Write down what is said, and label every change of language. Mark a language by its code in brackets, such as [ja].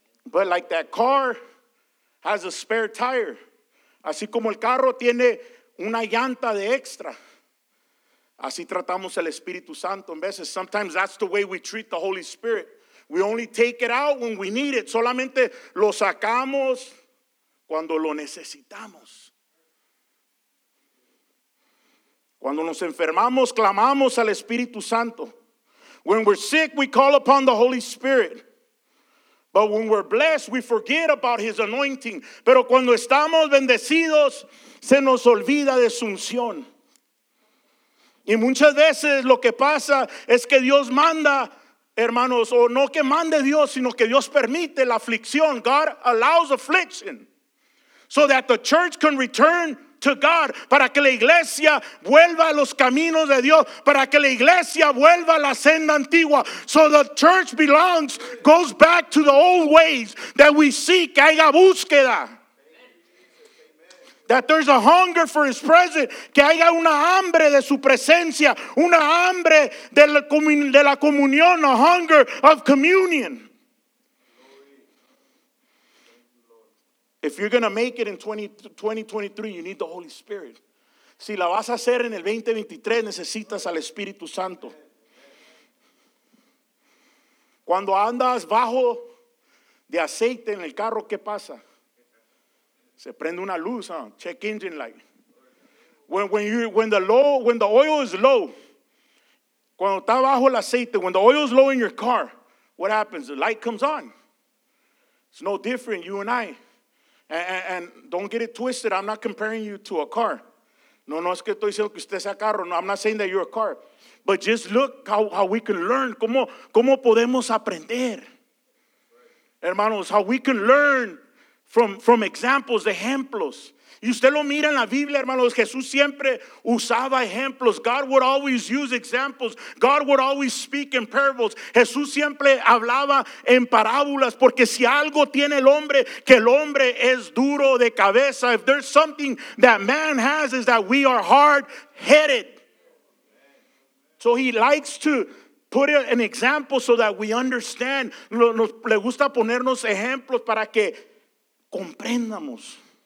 [en] But like that car has a spare tire. [es] Así como el carro tiene una llanta de extra. Así tratamos el Espíritu Santo en veces. [en] Sometimes that's the way we treat the Holy Spirit. We only take it out when we need it. [es] Solamente lo sacamos cuando lo necesitamos. Cuando nos enfermamos, clamamos al Espíritu Santo. [en] When we're sick, we call upon the Holy Spirit. But when we're blessed, we forget about his anointing. [es] Pero cuando estamos bendecidos, se nos olvida de su unción. Y muchas veces lo que pasa es que Dios manda, hermanos, o no que mande Dios, sino que Dios permite la aflicción. [en] God allows affliction so that the church can return to God, [es] para que la iglesia vuelva a los caminos de Dios, para que la iglesia vuelva a la senda antigua. [en] So the church belongs, goes back to the old ways that we seek, [es] que haya búsqueda. [en] That there's a hunger for his presence. [es] Que haya una hambre de su presencia. Una hambre de la comunión. [en] A hunger of communion. If you're going to make it in 2023, you need the Holy Spirit. [es] Si la vas a hacer en el 2023, necesitas al Espíritu Santo. Cuando andas bajo de aceite en el carro, ¿qué pasa? Se prende una luz, [en] huh? Check engine light. When the oil is low, [es] cuando está bajo el aceite, [en] when the oil is low in your car, what happens? The light comes on. It's no different, you and I. And don't get it twisted. I'm not comparing you to a car. [es] No, es que estoy diciendo que usted sea carro. [en] No, I'm not saying that you're a car. But just look how we can learn. [es] ¿Cómo podemos aprender? [en] Hermanos, how we can learn From examples, [es] de ejemplos. Y usted lo mira en la Biblia, hermanos. Jesús siempre usaba ejemplos. [en] God would always use examples. God would always speak in parables. [es] Jesús siempre hablaba en parábolas. Porque si algo tiene el hombre, que el hombre es duro de cabeza. [en] If there's something that man has, is that we are hard-headed. So he likes to put an example so that we understand. [es] Le gusta ponernos ejemplos para que comprendamos.